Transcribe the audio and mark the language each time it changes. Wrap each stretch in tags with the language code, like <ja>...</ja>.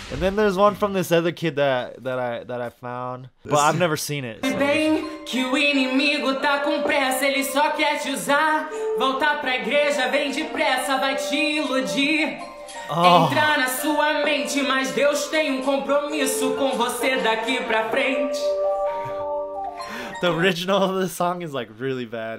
<en>And then there's one from this other kid that I found. But I've never seen it.</en> <pt>Bem que o inimigo tá com pressa, ele só quer te usar. Voltar pra igreja, vem depressa, vai te iludir. Entrar na sua mente, mas Deus tem um compromisso com você daqui pra frente.</pt> <en>The original of the song is like really bad.</en>